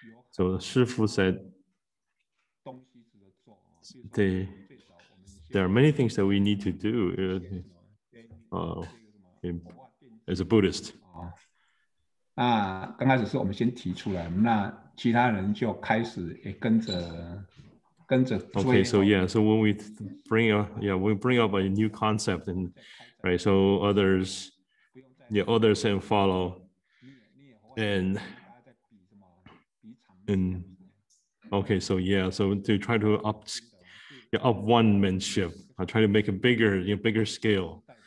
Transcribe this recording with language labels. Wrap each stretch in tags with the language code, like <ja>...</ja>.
<en>So Shi Fu said,There are many things that we need to do as a Buddhist.</en> <zh>那刚开始是我们先提出来，那其他人就开始也跟着追。</zh> <en>Okay, so when we bring up a new concept, and right, so others, others can follow. And okay, so yeah, so to try to up one-manship, try to make a bigger, you know, bigger scale.</en>